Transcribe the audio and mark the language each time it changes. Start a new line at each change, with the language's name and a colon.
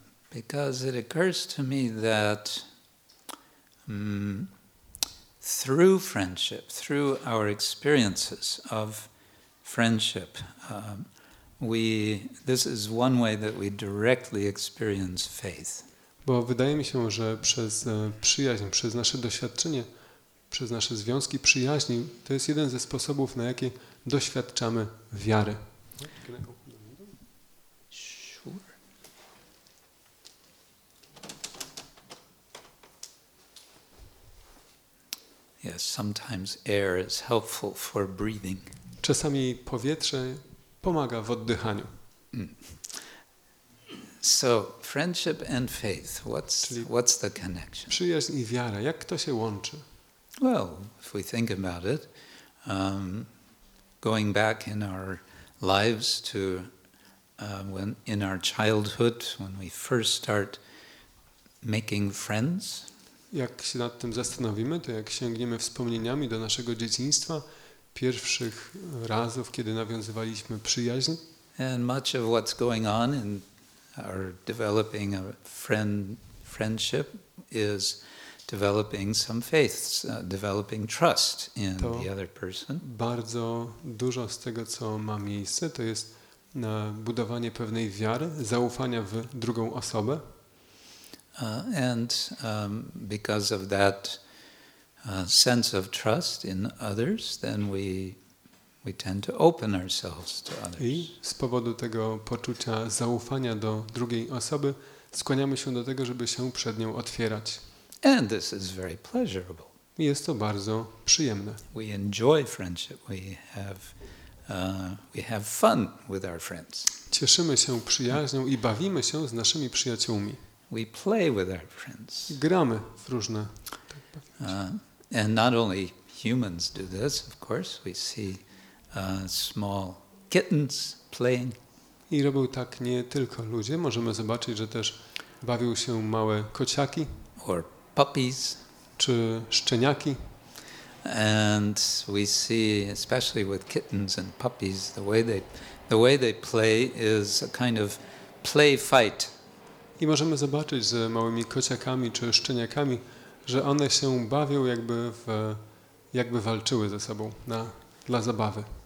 English: Because it occurs to me that through friendship, through our experiences of friendship, this is one way that we directly experience faith.
Polish: Bo wydaje mi się, że przez przyjaźń, przez nasze doświadczenie, przez nasze związki przyjaźni, to jest jeden ze sposobów, na jakie doświadczamy wiary.
English: Yes, sometimes air is helpful for breathing.
Polish: Czasami powietrze pomaga w oddychaniu.
English: So, friendship and faith. What's the connection?
Polish: Przyjaźń i wiara. Jak to się łączy?
English: Well, if we think about it, going back in our lives to when in our childhood, when we first start making friends.
Polish: Jak się nad tym zastanowimy, to jak sięgniemy wspomnieniami do naszego dzieciństwa, pierwszych razów, kiedy nawiązywaliśmy przyjaźń.
English: And much of what's going on in our developing a friendship is developing some faith, developing trust in the other person.
Polish: Bardzo dużo z tego, co ma miejsce, to jest na budowanie pewnej wiary, zaufania w drugą osobę.
English: Because of that sense of trust in others, then we tend to open ourselves to others.
Polish: I z powodu tego poczucia zaufania do drugiej osoby skłaniamy się do tego, żeby się przed nią otwierać.
English: And this is very pleasurable.
Polish: Jest to bardzo przyjemne.
English: We enjoy friendship. We have fun with our friends.
Polish: Cieszymy się przyjaźnią i bawimy się z naszymi przyjaciółmi.
English: We play with our friends.
Polish: Gramy w różne.
English: And not only humans do this, of course. We see small kittens playing.
Polish: I robią tak nie tylko ludzie. Możemy zobaczyć, że też bawią się małe kociaki.
English: Or puppies.
Polish: Czy szczeniaki.
English: And we see, especially with kittens and puppies, the way they play is a kind of play fight.
Polish: I możemy zobaczyć z małymi kociakami czy szczeniakami, że one się bawią jakby walczyły ze sobą dla zabawy.